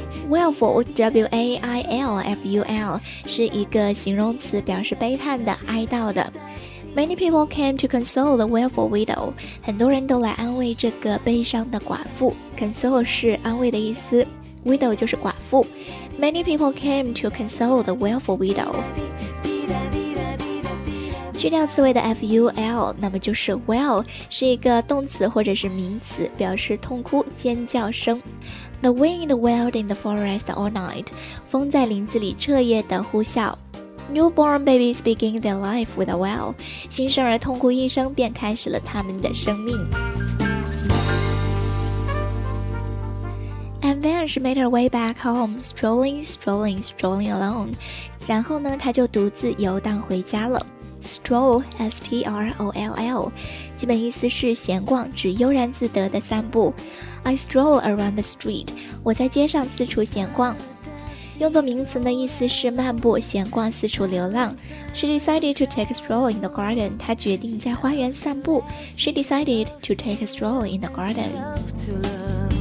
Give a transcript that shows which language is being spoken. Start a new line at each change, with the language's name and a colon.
Chinese: Wailful, W-A-I-L-F-U-L, 是一个形容词，表示悲叹的，哀悼的。
English: Many people came to console the wailful widow.
Chinese: 很多人都来安慰这个悲伤的寡妇。 Console 是安慰的意思。Widow 就是寡妇。
English: Many people came to console the wailful widow.
Chinese: 去掉词尾的 ful, 那么就是 wail, 是一个动词或者是名词，表示痛哭、尖叫声。
English: The wind wailed in the forest all night.
Chinese: 风在林子里彻夜的呼啸。
English: Newborn babies begin their life with a wail.
Chinese: 新生儿痛哭一声，便开始了他们的生命。
English: And then she made her way back home, strolling, strolling, strolling alone.
Chinese: 然后呢，她就独自游荡回家了。 Stroll, S-T-R-O-L-L, 基本意思是闲逛，指悠然自得的散步。
English: I stroll around the street.
Chinese: 我在街上四处闲逛。用作名词呢，意思是漫步、闲逛、四处流浪。
English: She decided to take a stroll in the garden.
Chinese: 她决定在花园散步。
English: She decided to take a stroll in the garden.